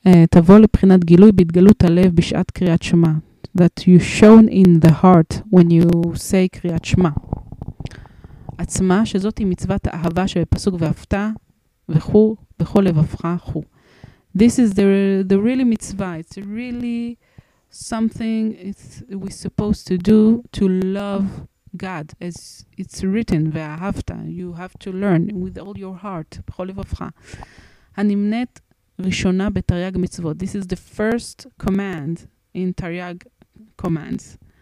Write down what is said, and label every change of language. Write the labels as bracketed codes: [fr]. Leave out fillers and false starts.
[he] תבוא לבחינת גילוי בהתגלות הלב בשעת קריאת שמע. [en] That you shown in the heart when you say קריאת שמע. [he] עצמה, שזאת היא מצוות האהבה שבפסוק ואהבת, וכו, בכל לבבך, חו. [en] This is the really מצווה. It's really something we supposed to do to love God, as it's written, [he] ואהבתה, [en] you have to learn with all your heart, [he] בכל לבבך. הנמנית ראשונה בתרי"ג מצוות. [en] This is the first command in תרי"ג commands.